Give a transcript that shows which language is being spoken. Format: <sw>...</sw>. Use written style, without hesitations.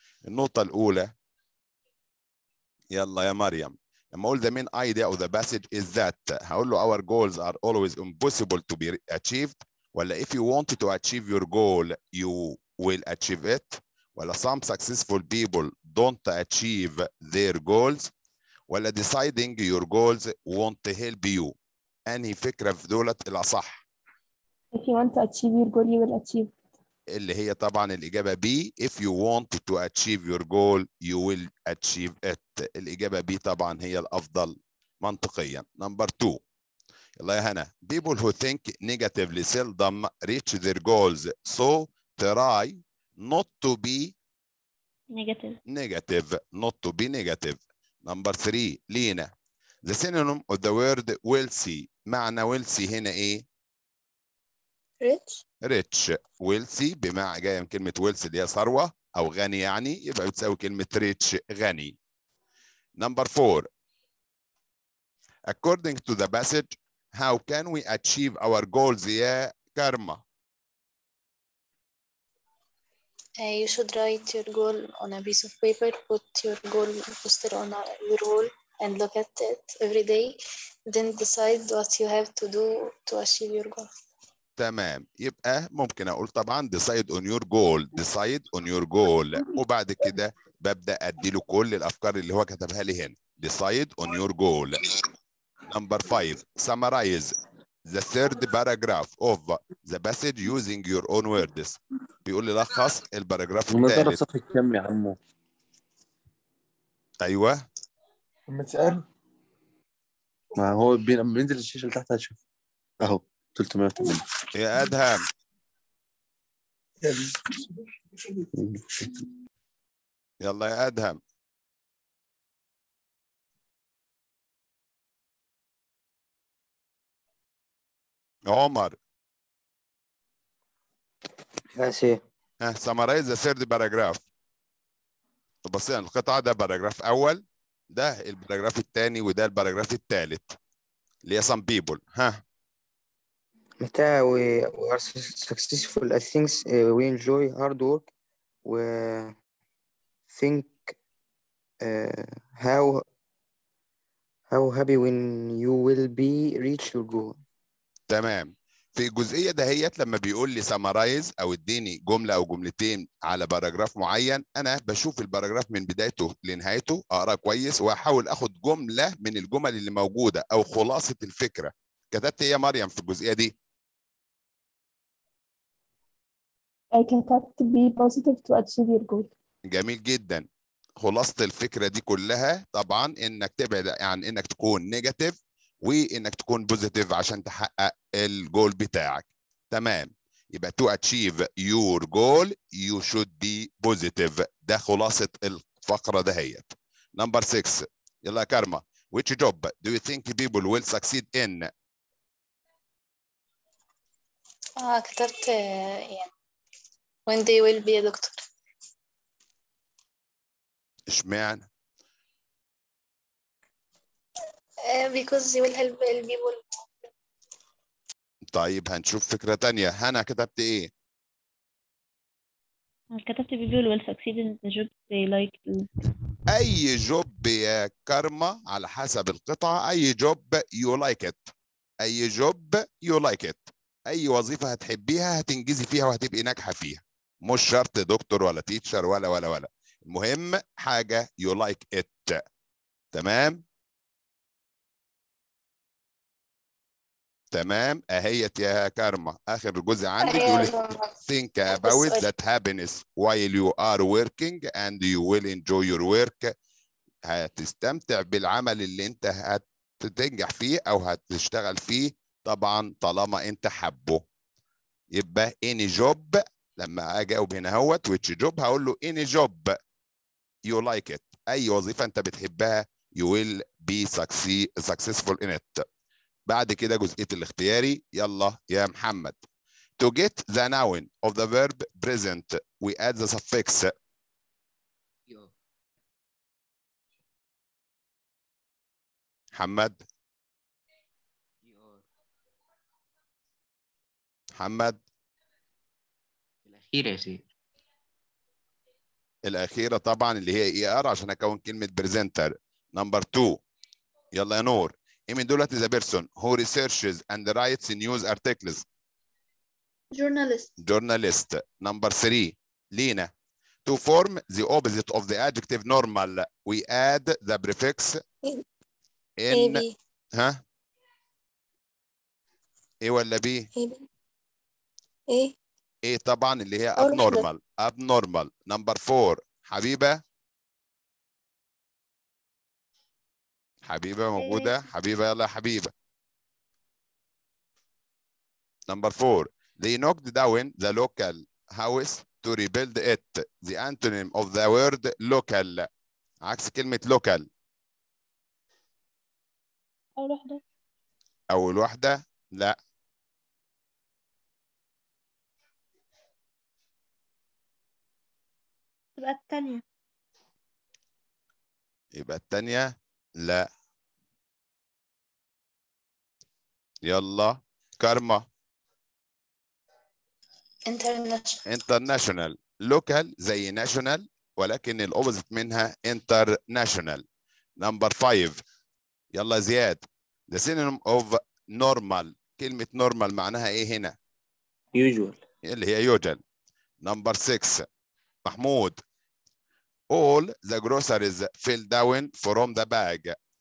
<ar>النقطة الأولى يلا يا مريم لما أقول</ar> <en>the main idea of the passage is that</en> <ar>هقول له</ar> <en>our goals are always impossible to be achieved ولا if you want to achieve your goal you will achieve it ولا some successful people don't achieve their goals ولا deciding your goals won't help you.</en> <ar>أنهي فكرة في دولة الأصح؟</ar> <en>If you want to achieve your goal, you will achieve it.</en> <ar>اللي هي طبعا الإجابة B.</ar> <en>If you want to achieve your goal, you will achieve it.</en> <ar>الإجابة B طبعا هي الأفضل منطقيا.</ar> <en>Number two.</en> <ar>يلا يا هنا.</ar> <en>People who think negatively seldom reach their goals. So try not to be negative. Negative. Not to be negative. Number three. Lena. The synonym of the word will see.</en> <ar>معنى</ar> <en>will see</en> <ar>هنا إيه؟</ar> <en>Rich.</en> <ar>ويلسي بمعنى جاية من كلمة ويلسي اللي هي ثروة أو غني يعني. يبقى بتساوي كلمة rich غني.</ar> <en>Number four. According to the passage, how can we achieve our goals</en> <ar>يا كارما؟</ar> <en>You should write your goal on a piece of paper, put your goal poster on your wall and look at it every day. Then decide what you have to do to achieve your goal.</en> <ar>تمام. يبقى ممكن اقول طبعا</ar> <en>decide on your goal, decide on your goal,</en> <ar>وبعد كده ببدا ادي له كل الافكار اللي هو كتبها لي هنا.</ar> <en>decide on your goal. Number 5. Summarize the third paragraph of the passage using your own words.</en> <ar>بيقول لي لخص الباراجراف الثالث. المدرسه في كم يا عمو؟ ايوه لما تسال ما هو بينزل الشاشه تحت اشوف اهو 380. يا أدهم يلا يا أدهم عمر ماشي</ar> <en>summarize the third paragraph.</en> <ar>بصينا القطعة ده باراجراف أول, ده الباراجراف الثاني, وده الباراجراف الثالث اللي هي some people. ها متى</ar> <en>we are successful at things we enjoy hard work we think how happy when you will be reach your goal.</en> <ar>تمام. في الجزئية دهيت لما بيقول لي سامرايز أو اديني جملة أو جملتين على باراجراف معين, أنا بشوف الباراجراف من بدايته لنهايته أقرأ كويس وأحاول أخد جملة من الجمل اللي موجودة أو خلاصة الفكرة. كتبت يا مريم في الجزئية دي؟</ar> <en>I can have to be positive to achieve your goal.</en> <ar>جميل جدا. خلاصة الفكرة دي كلها طبعا انك تبعد عن انك تكون نيجاتيف وانك تكون بوزيتيف عشان تحقق الجول بتاعك. تمام. يبقى</ar> <en>to achieve your goal you should be positive.</en> <ar>ده خلاصة الفقرة دهيت.</ar> <en>Number 6.</en> <ar>يلا كارما.</ar> <en>Which job do you think people will succeed in?</en> <ar>كتبت</ar> <en>when they will be a doctor.</en> <ar>إيش معنى؟</ar> <en>Because they will help the people.</en> <ar>طيب هنشوف فكرة تانية. هنا كتبت إيه؟ كتبت</ar> <en>people will succeed in the job they like to.</en> <ar>أي جوب يا كارما على حسب القطعة. أي جوب</ar> <en>you like it. أي job you like it.</en> <ar>أي وظيفة هتحبيها هتنجزي فيها وهتبقي ناجحة فيها. مش شرط دكتور ولا تيتشر ولا ولا ولا, المهم حاجة</ar> <en>you like it.</en> <ar>تمام. تمام اهيت يا كارما. اخر جزء عندي بيقول</ar> <en>think about that happiness while you are working and you will enjoy your work.</en> <ar>هتستمتع بالعمل اللي انت هتنجح فيه او هتشتغل فيه طبعا طالما انت حبه. يبقى</ar> <en>any job</en> <ar>لما اجاوب هنا هوت</ar> <en>which job</en> <ar>هقول له</ar> <en>any job you like it.</en> <ar>اي وظيفه انت بتحبها</ar> <en>you will be successful in it.</en> <ar>بعد كده جزئيه الاختياري. يلا يا محمد.</ar> <en>to get the noun of the verb present we add the suffix.</en> <ar>محمد محمد الأخيرة طبعا اللي هي ER عشان أكون كلمة presenter.</ar> <en>Number 2.</en> <ar>يلا يا نور.</ar> <en>إيمين دولت is a person who researches and writes news articles. Journalist. Journalist. Number 3. Lena. To form the opposite of the adjective normal we add the prefix in.</en> <ar>ها إيه ولا بي إيه A طبعا اللي هي أول واحدة.</ar> <en>abnormal. abnormal number four</en> <ar>حبيبة، حبيبة موجودة، حبيبة يلا حبيبة</ar> <en>number four. They knocked down the local house to rebuild it. The antonym of the word local.</en> <ar>عكس كلمة local. أول واحدة. أول واحدة. لا. تبقى الثانية. يبقى الثانية. لا. يلا كارما.</ar> <en>International. International.</en> <ar>Local زي national ولكن ال opposite منها international.</ar> <en>Number five.</en> <ar>يلا زياد.</ar> <en>The synonym of normal.</en> <ar>كلمة normal معناها ايه هنا؟</ar> <en>Usual.</en> <ar>اللي هي usual.</ar> <en>Number six. محمود. All the groceries fell down from the bag.</en>